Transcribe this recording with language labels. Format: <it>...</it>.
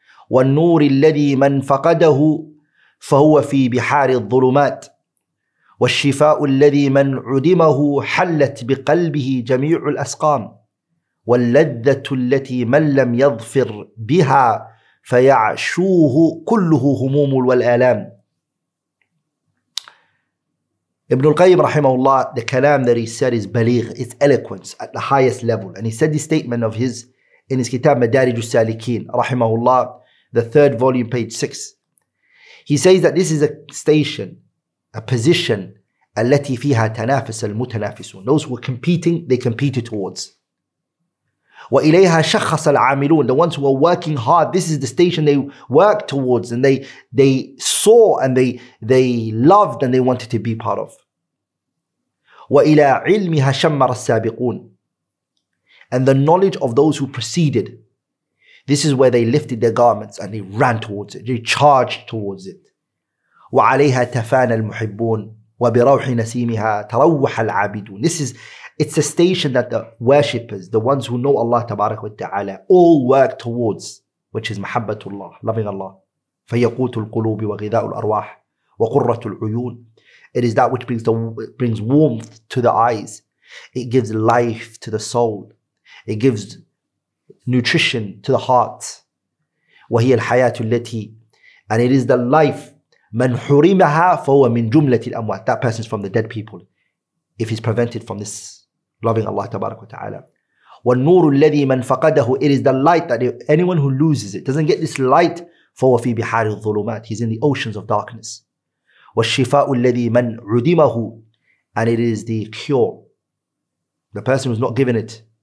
<ar>والنور الذي من فقده فهو في بحار الظلمات والشفاء الذي من عدمه حلت بقلبه جميع الأسقام واللذة التي من لم يظفر بها فيعشوه كله هموم والآلام.</ar> <en>Ibn al-Qayyim rahimahullah, the kalam that he said is baligh, it's eloquence at the highest level. And he said this statement of his in his kitab Madarij al-Salikin rahimahullah, the third volume, page 6. He says that this is a station, a position,</en> <ar>التي فيها تنافس المتنافسون.</ar> <en>Those who are competing, they competed towards.</en> <ar>وإليها شخص العاملون.</ar> <en>The ones who are working hard, this is the station they work towards and they saw and they loved and they wanted to be part of.</en> <ar>وإلى علمها شمر السابقون.</ar> <en>And the knowledge of those who preceded. This is where they lifted their garments and they ran towards it. They charged towards it.</en> <ar>وعليها تفان المحبون وبروح نسيمها تروح العابدون.</ar> <en>This is, it's a station that the worshippers, the ones who know Allah تبارك وتعالى, all work towards, which is</en> <ar>محبة الله,</ar> <en>loving Allah.</en> <ar>فيقوت القلوب وغذاء الأرواح وقرة العيون.</ar> <en>It is that which brings warmth to the eyes. It gives life to the soul. It gives nutrition to the heart.</en> <ar>وهي الحياة التي,</ar> <en>and it is the life.</en> <ar>من حرمها فهو من جملة الأموات.</ar> <en>That person is from the dead people if he's prevented from this loving Allah تبارك وتعالى.</en> <ar>والنور الذي من فقده,</ar> <en>it is the light that anyone who loses it doesn't get this light.</en> <ar>فهو في بحار الظلمات,</ar> <en>he's in the oceans of darkness.</en> <ar>والشفاء الذي من عدمه,</ar> <en>and it is the cure, the person who's not given it.</en>